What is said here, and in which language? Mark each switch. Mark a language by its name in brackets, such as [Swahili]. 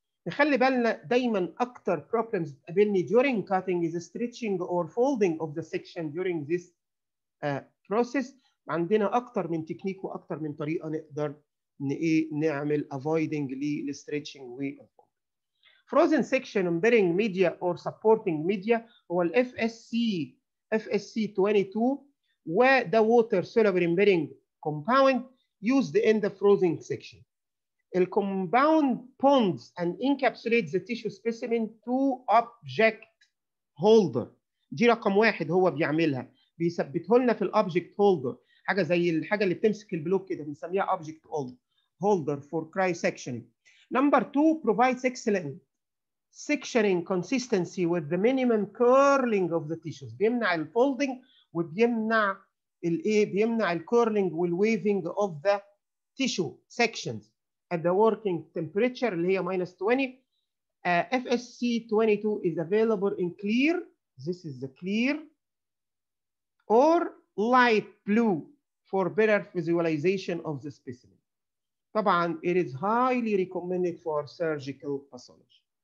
[Arabic] نخلي بالنا دايما اكتر [English] problems [Arabic] بتقابلني [English] during cutting is stretching or folding of the section during this process. [Arabic] عندنا اكتر من تكنيك واكتر من طريقه نقدر نعمل avoiding للstretching والfolding. [English] Frozen section bearing media or supporting media [Arabic] هو ال [English] FSC 22 وده water soluble bearing compound used in the frozen section. The compound ponds and encapsulates the tissue specimen to object holder. [Arabic] دي رقم واحد هو بيعملها. بيثبته لنا في الأوبجكت هولدر. حاجة زي الحاجة اللي بتمسك البلوك كده بنسميها أوبجكت هولدر [English] for cryosectioning. Number two provides excellent sectioning consistency with the minimum curling of the tissues. [Arabic] بيمنع الفولدنج وبيمنع الايه؟ بيمنع الكيرلينج والويفنج [English] of the tissue sections. At the working temperature, [Arabic] اللي هي [English] minus 20, FSC 22 is available in clear, this is the clear, or light blue for better visualization of the specimen. طبعاً, it is highly recommended for surgical pathology.